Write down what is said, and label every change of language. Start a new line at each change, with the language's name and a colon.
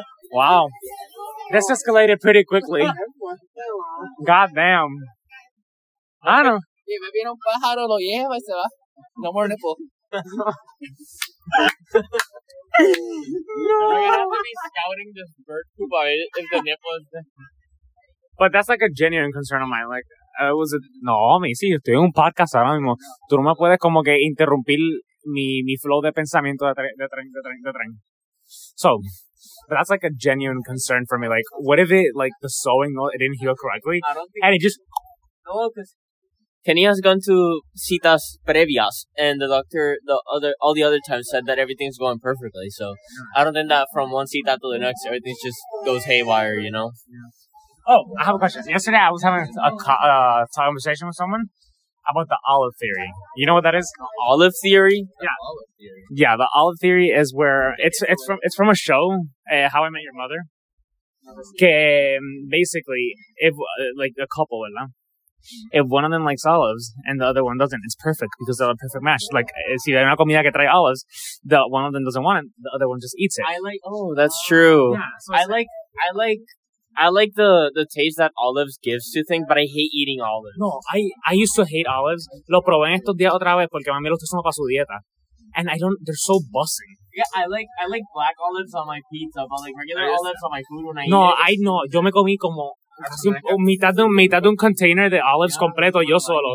English: Wow. This escalated pretty quickly. God damn. I don't No more nipple. No. We're gonna have to be scouting this bird poop if the nipple is there. But that's like a genuine concern of mine. Like, was it?
Spanish: No, me, si, estoy en un podcast ahora mismo. Tú no me puedes como que interrumpir mi flow de pensamiento de tren.
English: So, that's like a genuine concern for me. Like, what if it, like, the sewing, it didn't heal correctly? And it just... No, because Kenny has gone to citas previas, and the doctor, all the other times, said that everything's going perfectly. So, I don't think that from one cita to the next, everything just goes haywire, you know? Yeah. Oh, I have a question. Yesterday, I was having a conversation with someone about the olive theory. You know what that is? Olive theory? Yeah. Yeah, the olive theory is where it's from a show, How I Met Your Mother. Que basically, if like a couple, ¿verdad? If one of them likes olives and the other one doesn't, it's perfect because they're a perfect match. Like,
Spanish: si hay una comida que trae
English: olives, the one of them doesn't want it, the other one just eats it. That's true. Yeah, so I like the taste that olives gives to things, but I hate eating olives. No, I used to hate olives.
Spanish: Lo probé estos días otra vez porque mami lo está usando para su dieta.
English: And they're so bussy. Yeah, I like black olives on my pizza, but like regular olives on my food when I no, eat it.
Spanish: No, yo me comí como mitad de un container de olives completo yo solo.